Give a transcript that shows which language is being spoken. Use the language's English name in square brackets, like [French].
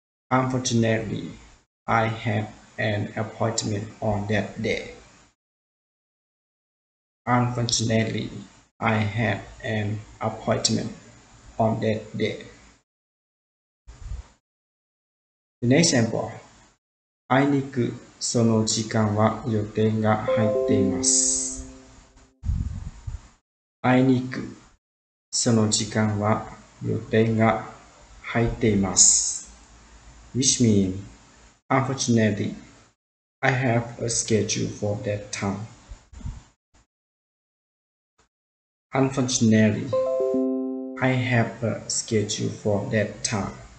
[English] Unfortunately, I have an appointment on that day. Unfortunately, I have an appointment on that day. The next example. [Japanese] あいにくその時間は予定が入っています。あいにくその時間は予定が入っています。 [English] Which means, unfortunately, I have a schedule for that time. Unfortunately, I have a schedule for that time.